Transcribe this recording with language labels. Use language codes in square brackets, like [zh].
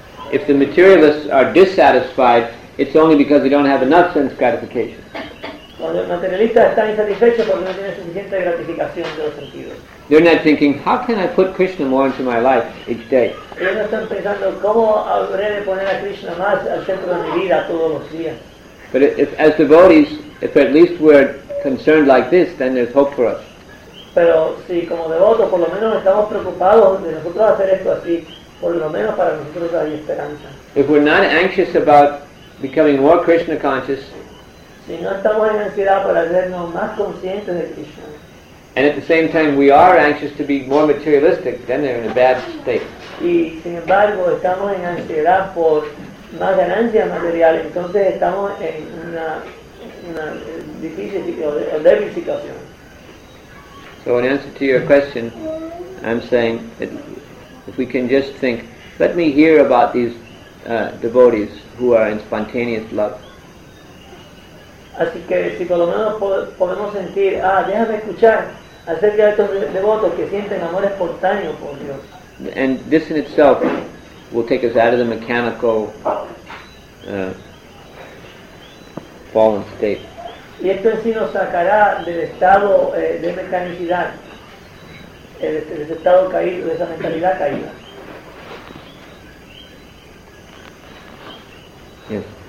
[en] If the materialists are dissatisfied, it's only because they don't have enough sense gratification. [es] Cuando los materialistas están insatisfechos porque no tienen suficiente gratificación de los sentidos. [en] They're not thinking, how can I put Krishna more into my life each day? [es] Ellos no están pensando cómo habré de poner a Krishna más al centro de mi vida todos los días. [en] But if, as devotees, if at least we're concerned like this, then there's hope for us. [es] Pero si como devotos por lo menos estamos preocupados de nosotros hacer esto así, por lo menos para nosotros hay esperanza. [en] If we're not anxious about becoming more Krishna conscious, [es] si no estamos en ansiedad para hacernos más conscientes de Krishna, [en] and at the same time we are anxious to be more materialistic, then they're in a bad state. [es] Y sin embargo estamos en ansiedad por más ganancias materiales, entonces estamos en una difícil o débil situación. [en] So in answer to your question, I'm saying that if we can just think, let me hear about these devotees who are in spontaneous love. [es] Así que si por lo menos podemos sentir, ah, déjame escuchar acerca de estos devotos que sienten amor espontáneo por Dios. [en] And this in itself will take us out of the mechanical fallen state. [es] Y esto en sí nos sacará del estado de mecanicidad, del estado caído, de esa mentalidad caída. [en] Yes.